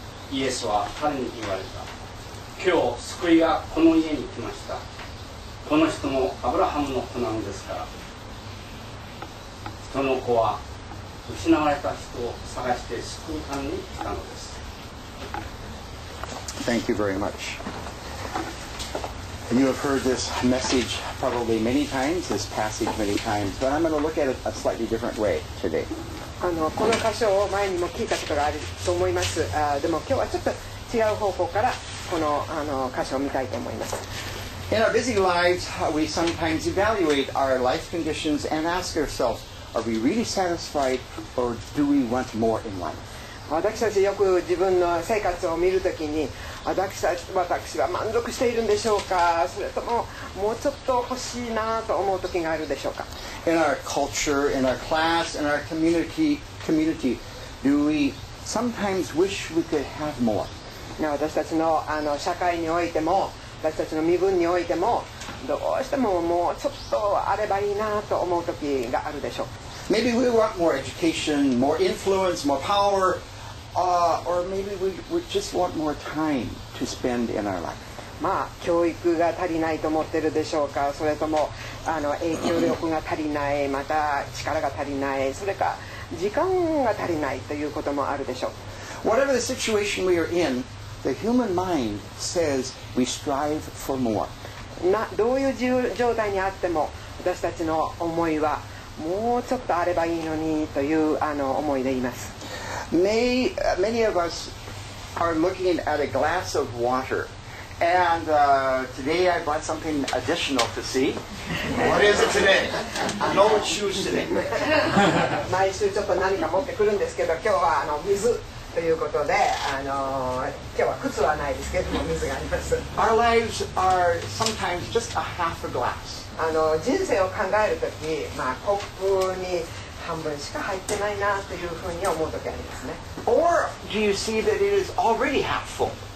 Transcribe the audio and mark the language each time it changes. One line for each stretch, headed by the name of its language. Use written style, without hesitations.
Japanese: イエスは彼に言われた。今日救いがこの家に来ました。この人もアブラハムの子なのですから。人の子は失われた人を探して救うために来たのです。
English: Thank you very much. You have heard this message probably many times, this passage many times, but I'm going to look at it a slightly different way today.
Japanese: この箇所を前にも聞いたことがあると思います。でも今日はちょっと違う方向からこの箇所を見たいと思います。
English: In our busy lives, we sometimes evaluate our life conditions and ask ourselves, are we really satisfied or do we want more in life?
Japanese: 私たちよく自分の生活を見るときに、私は満足しているんでしょうか、それとももうちょっと欲しいなと思うときがあるでしょうか。
English: In our culture, in our class, in our community, do we sometimes wish we could have more?
Japanese: 私たち の社会においても、私たちの身分においても、どうしてももうちょっとあればいいなと思うときがあるでしょうか。
English: Maybe we want more education, more influence, more power, or maybe we just want more time to spend in our life.
Japanese: まあ、教育が足りないと思ってるでしょうか。それとも影響力が足りない、また力が足りない、それか時間が足りないということもあるでしょう。
English: whatever the situation we are in, the human mind says we strive for more.
Japanese: どういう状態にあっても私たちの思いはもうちょっとあればいいのにという思いでいます。
English: Many of us are looking at a glass of water. And today I bought something additional to see. What is it today? No shoes today.
Japanese: 毎週ちょっと何か持ってくるんですけど、今日は水ということで、今日は靴はないですけども水があります。
English: Our lives are sometimes just a half a glass.
Japanese: 人生を考えるとき、まあコップに半分しか入ってないなというふうに思うときありますね。
English: Or do you see that it is already half full?